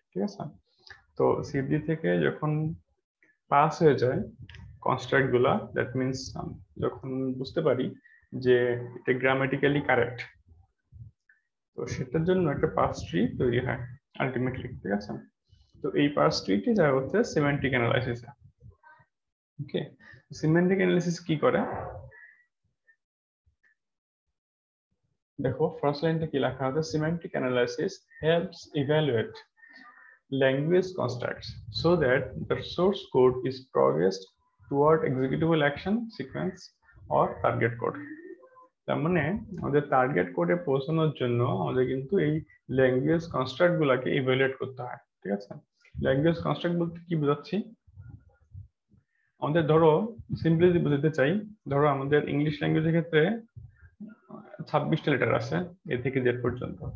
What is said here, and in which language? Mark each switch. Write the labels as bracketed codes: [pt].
[bn] ঠিক আছে, তো সিএফজি থেকে যখন পাস হয়ে যায় কনস্ট্রাক্ট গুলা, দ্যাট মিনস যখন বুঝতে পারি যে এটা গ্রামাটিক্যালি কারেক্ট, তো সেটার জন্য একটা পার্স ট্রি তৈরি হয় আলটিমেটলি। ঠিক আছে, তো এই পার্স ট্রিটি যা হচ্ছে সিমেন্টিক অ্যানালাইসিস। ওকে, সিমেন্টিক অ্যানালাইসিস কি করে দেখো, ফার্স্ট লাইনটা কি লেখা আছে, [en] Semantic analysis helps evaluate language constructs so that the source code is progressed toward executable action sequence or target code. [bn] তার মানে আমাদের টার্গেট কোডে পৌঁছানোর জন্য আমাদের কিন্তু এই ল্যাঙ্গুয়েজ কনস্ট্রাক্ট গুলাকে ইভ্যালুয়েট করতে হয়। ঠিক আছে, ল্যাঙ্গুয়েজ কনস্ট্রাক্ট বলতে কি বোঝাচ্ছি, আমাদের ধরো সিম্পলি বুঝাতে চাই, ধরো আমাদের ইংলিশ ল্যাঙ্গুয়েজের ক্ষেত্রে 26টা লেটার আছে এ থেকে জেড পর্যন্ত।